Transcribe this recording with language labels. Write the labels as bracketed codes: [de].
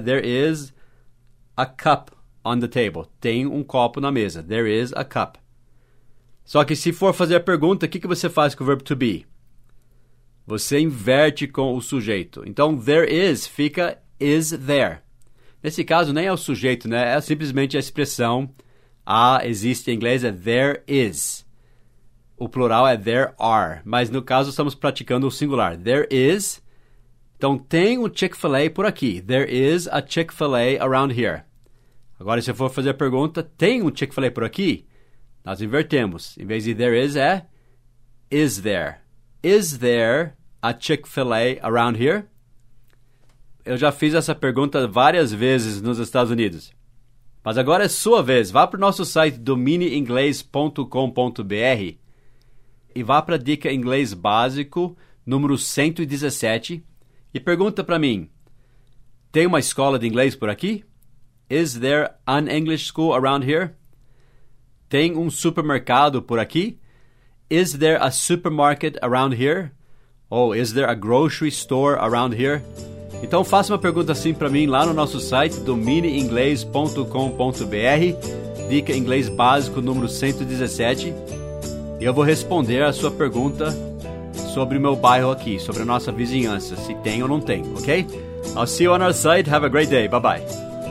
[en] There is a cup on the table. [pt] Tem um copo na mesa. [en] There is a cup. [pt] Só que se for fazer a pergunta, o que, que você faz com o verbo to be? Você inverte com o sujeito. Então, there is fica is there. Nesse caso, nem é o sujeito, né? É simplesmente a expressão há, existe em inglês, é there is. O plural é there are. Mas, no caso, estamos praticando o singular. There is. Então, tem um Chick-fil-A por aqui. [en] There is a Chick-fil-A around here. [pt] Agora, se eu for fazer a pergunta, tem um Chick-fil-A por aqui? Nós invertemos. Em vez de there is, é is there. [en] Is there a Chick-fil-A around here? [pt] Eu já fiz essa pergunta várias vezes nos Estados Unidos. Mas agora é sua vez. Vá para o nosso site dominiinglês.com.br e vá para a dica inglês básico número 117 e pergunta para mim, tem uma escola de inglês por aqui? [en] Is there an English school around here? [pt] Tem um supermercado por aqui? [en] Is there a supermarket around here? Oh, is there a grocery store around here? [pt] Então faça uma pergunta assim para mim lá no nosso site dominiinglês.com.br, dica inglês básico número 117. E eu vou responder a sua pergunta sobre o meu bairro aqui, sobre a nossa vizinhança, se tem ou não tem, ok? [en] I'll see you on our site. Have a great day. Bye-bye.